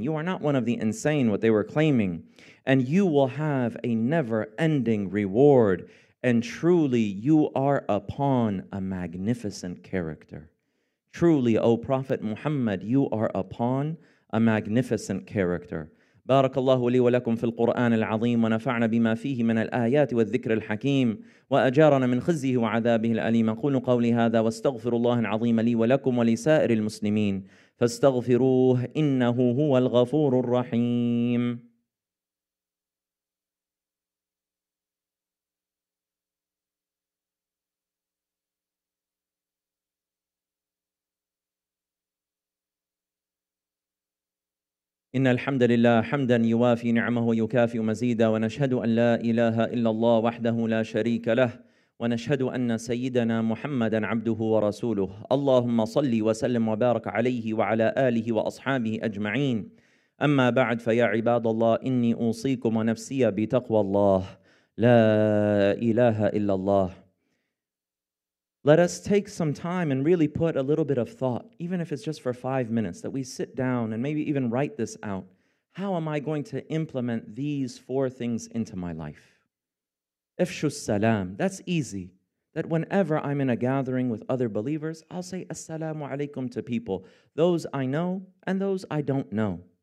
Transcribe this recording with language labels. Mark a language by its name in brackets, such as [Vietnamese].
[English] You are not one of the insane, what they were claiming. And you will have a never-ending reward. And truly, you are upon a magnificent character. Truly, O Prophet Muhammad, you are upon a magnificent character. [Arabic] بارك الله لي ولكم في القرآن العظيم ونفعنا بما فيه من الآيات والذكر الحكيم وأجارنا من خزيه وعذابه الأليم. أقول قولي هذا واستغفر الله العظيم لي ولكم ولسائر المسلمين فاستغفروه إنه هو الغفور الرحيم. إن الحمد لله حمدا يوافي نعمه ويكافئ مزيدا ونشهد أن لا إله إلا الله وحده لا شريك له ونشهد أن سيدنا محمدا عبده ورسوله. اللهم صل وسلم وبارك عليه وعلى آله وأصحابه أجمعين. أما بعد فيا عباد الله إني أوصيكم ونفسي بتقوى الله لا إله إلا الله. [English] Let us take some time and really put a little bit of thought, even if it's just for 5 minutes, that we sit down and maybe even write this out. How am I going to implement these four things into my life? [Arabic] Ifshu salam. [English] That's easy. That whenever I'm in a gathering with other believers, I'll say assalamu alaikum to people, those I know and those I don't know.